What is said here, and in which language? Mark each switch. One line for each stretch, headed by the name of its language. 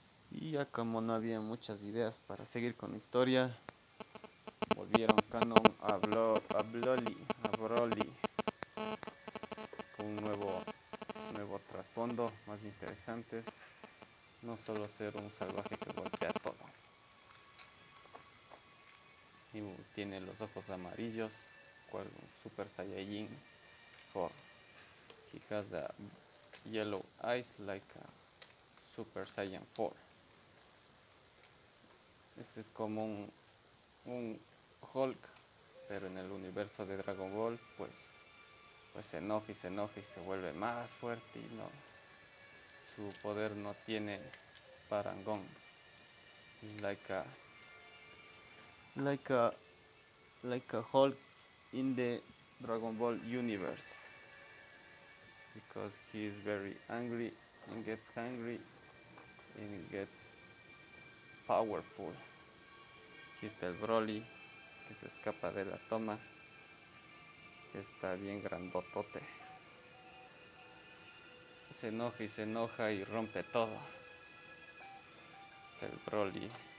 Spanish: Y ya como no había muchas ideas para seguir con la historia, volvieron canon a Broly con un nuevo trasfondo, más interesantes. No solo ser un salvaje que golpea todo. Y tiene los ojos amarillos, cual un Super Saiyajin.
English: He has the yellow eyes like a Super Saiyan 4.
Spanish: Este es como un Hulk, pero en el universo de Dragon Ball, pues se enoja y se vuelve más fuerte y no. Su poder no tiene parangón.
English: Like a Hulk in the Dragon Ball universe. Because he is very angry and gets hungry and gets powerful.
Spanish: Aquí está el Broly que se escapa de la toma. Está bien grandotote. Se enoja y rompe todo. El Broly.